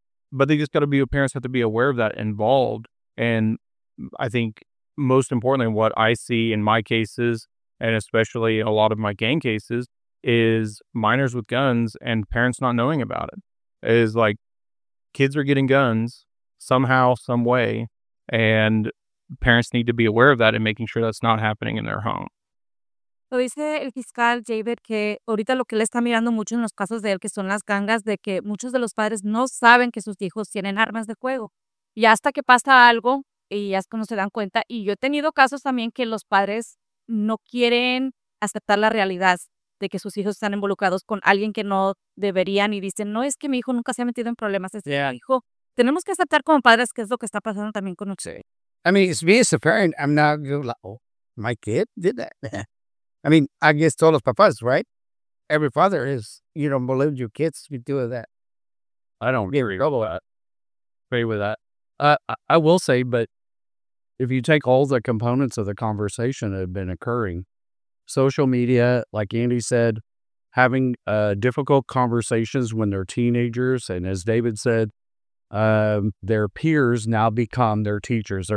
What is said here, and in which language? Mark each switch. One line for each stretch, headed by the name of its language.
English: But parents have to be aware of that, involved. And I think most importantly, what I see in my cases, and especially in a lot of my gang cases, is minors with guns and parents not knowing about it. It is like, kids are getting guns somehow, some way, and parents need to be aware of that and making sure that's not happening in their home.
Spanish: Lo dice el fiscal David, que ahorita lo que él está mirando mucho en los casos de él, que son las gangas, de que muchos de los padres no saben que sus hijos tienen armas de fuego. Y hasta que pasa algo, y ya es cuando se dan cuenta. Y yo he tenido casos también que los padres no quieren aceptar la realidad de que sus hijos están involucrados con alguien que no deberían, y dicen, no, es que mi hijo nunca se ha metido en problemas, es mi hijo. Tenemos que aceptar como padres qué es lo que está pasando también con nosotros. Sí.
English: I mean, it's me as a parent, I'm not going like, oh, my kid did that. I mean, I guess
Spanish: todos los papás,
English: right? Every father is, you don't believe your kids would do that. I don't agree with that. I will say, but if you take all the components of the conversation that have been occurring, social media, like Andy said, having difficult conversations when they're teenagers, and as David said, their peers now become their teachers.